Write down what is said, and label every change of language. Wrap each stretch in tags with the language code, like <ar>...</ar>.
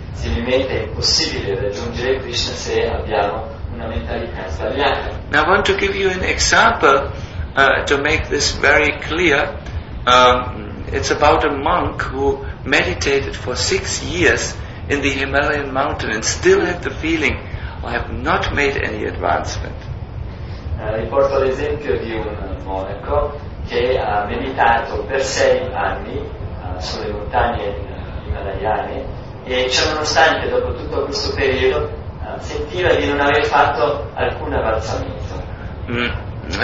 <it>Similmente è impossibile raggiungere Krishna se abbiamo una mentalità sbagliata.</it> <en>Now I want to give you an example to make this very clear. It's about a monk who meditated for 6 years in the Himalayan mountain and still had the feeling, I have not made any advancement.</en> <it>Riporto l'esempio di un monaco che ha meditato per 6 anni sulle montagne himalayane e ciononostante dopo tutto questo periodo sentiva di non aver fatto alcun avanzamento.</it>